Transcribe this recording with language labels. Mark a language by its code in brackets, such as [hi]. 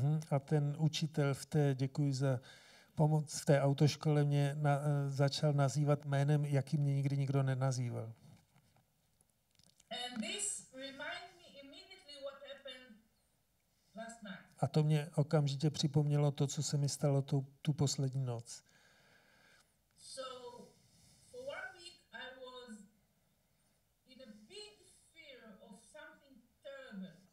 [cs] A ten učitel v té, děkuji za pomoc, v té autoškole mě začal nazývat jménem, jaký mě nikdy nikdo nenazýval. [en] And this reminds me immediately what happened last night. [cs] A to mě okamžitě připomnělo to, co se mi stalo tu poslední noc. [en] So for 1 week I was in a big fear of something terrible.